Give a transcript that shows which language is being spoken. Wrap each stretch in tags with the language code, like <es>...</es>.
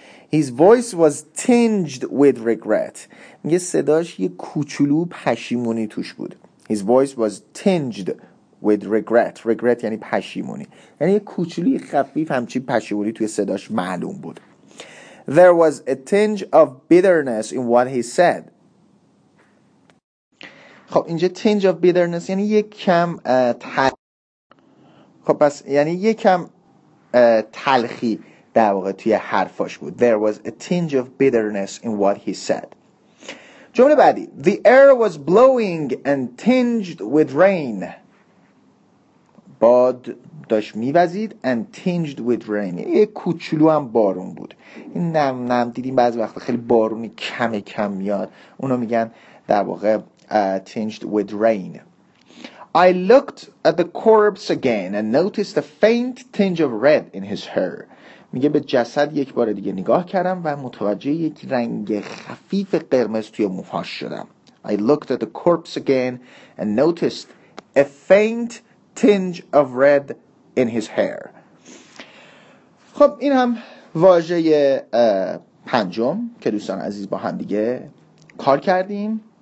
<en>His voice was tinged with regret،</en> <fa>میگه صداش یک کوچولو پشیمونی توش بود.</fa> <en>His voice was tinged with regret.</en> <fa>Regret یعنی پشیمونی، یعنی یک کوچولوی خفیف همچین پشیمونی توی صداش معلوم بود.</fa> <en>There was a tinge of bitterness in what he said.</en> <fa>خب اینجا</fa> <en>tinge of bitterness</en> <fa>یعنی یک کم خب پس یعنی یک کم تلخی در واقع توی حرفاش بود.</fa> <en>There was a tinge of bitterness in what he said.</en> <fa>جمله بعدی،</fa> <en>The air was blowing and tinged with rain.</en> <fa>باد داشت میوزید،</fa> <en>and tinged with rain،</en> <fa>یه کوچولو هم بارون بود. این نم نم دیدیم بعضی وقت خیلی بارونی کم کم میاد، اونو میگن در واقع</fa> <en>tinged with rain. I looked at the corpse again and noticed a faint tinge of red in his hair.</en> <fa>میگه به جسد یک بار دیگه نگاه کردم و متوجه یک رنگ خفیف قرمز توی موهاش شدم.</fa> <en>I looked at the corpse again and noticed a faint tinge of red in his hair.</en> <fa>خب این هم واژه پنجم که دوستان عزیز با هم دیگه کار کردیم.</fa>